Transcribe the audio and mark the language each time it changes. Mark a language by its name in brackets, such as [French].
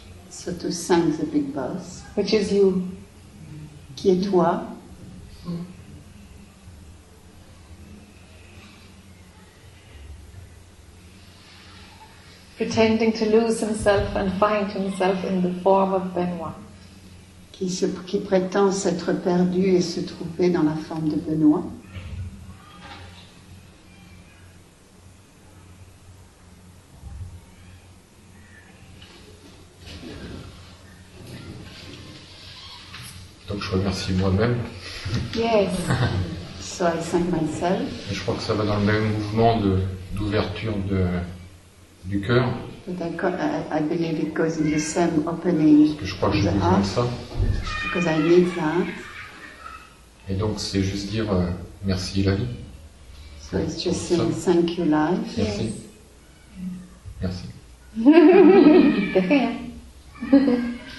[English] So to thank the big boss. Which is you. [French] Qui est toi. [English] Pretending to lose himself and find himself in the form of Benoît. [French] Qui prétend s'être perdu et se trouver dans la forme de Benoît. Je remercie moi-même. [English] Yes. So I thank myself. [French] Et je crois que ça va dans le même mouvement d'ouverture du cœur. [English] But I believe it goes in the same opening. [French] Parce que je crois que j'ai besoin de ça. [English] Because I need that. [French] Et donc c'est juste dire merci la vie. [English] So it's just saying thank you life. [French] Merci. Yes. Merci. De rien.